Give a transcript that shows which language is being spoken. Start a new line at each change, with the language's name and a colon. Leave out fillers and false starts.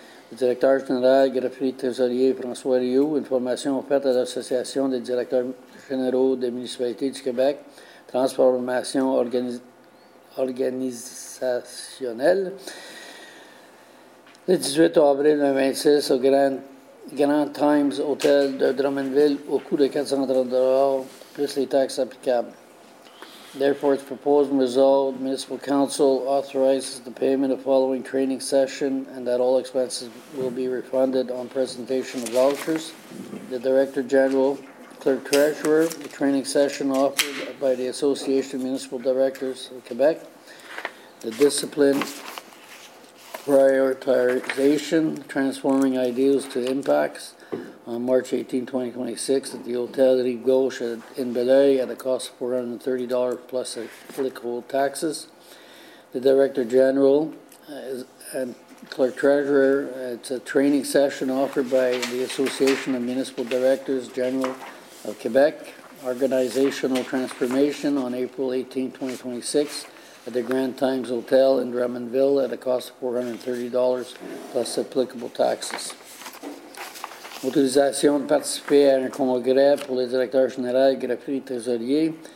French: Le directeur général, greffier trésorier François Rioux, une formation offerte à l'Association des directeurs généraux des municipalités du Québec, transformation organisationnelle. Le 18 avril 2026 au Grand Times Hôtel de Drummondville, au coût de 430 $ plus les taxes applicables.
English: Therefore, it's proposed and resolved the Municipal Council authorizes the payment of the following training session and that all expenses will be refunded on presentation of vouchers. The Director General, Clerk Treasurer, the training session offered by the Association of Municipal Directors of Quebec, the discipline prioritization, transforming ideas to impacts, on March 18, 2026, at the Hotel Rive Gauche in Belleuil at a cost of $430 plus applicable taxes. The Director General and Clerk Treasurer, it's a training session offered by the Association of Municipal Directors General of Quebec, organizational transformation on April 18, 2026, at the Grand Times Hotel in Drummondville at a cost of $430 plus applicable taxes.
French: Autorisation de participer à un congrès pour les directeurs généraux, greffiers et trésoriers.